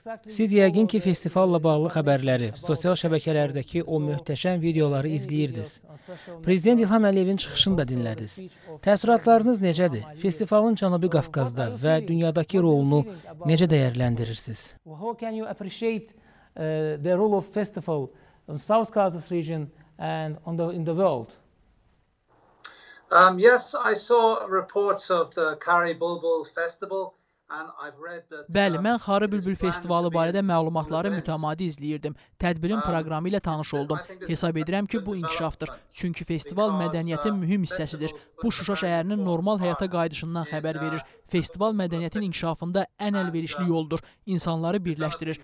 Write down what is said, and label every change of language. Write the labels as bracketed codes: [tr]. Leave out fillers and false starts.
[az] siz yəqin ki, festivalla bağlı xəbərləri, sosial şəbəkələrdəki o möhtəşəm videoları izləyirdiniz. Prezident İlham Əliyevin çıxışını da dinlədiniz. Təəssüratlarınız necədir? Festivalın Cənubi Qafqazda və dünyadakı rolunu necə dəyərləndirirsiniz? [en] How can you appreciate the role of festival in South Caucasus region and in the world? Yes, I saw reports of the Xarı Bülbül Festival. [az] Bəli, mən Xarı Bülbül Festivalı barədə məlumatları mütəmadi izləyirdim. Tədbirin proqramı ilə tanış oldum. Hesab edirəm ki, bu inkişafdır. Çünki festival mədəniyyətin mühüm hissəsidir. Bu, Şuşa şəhərinin normal həyata qayıdışından xəbər verir. Festival mədəniyyətin inkişafında ən əlverişli yoldur. İnsanları birləşdirir.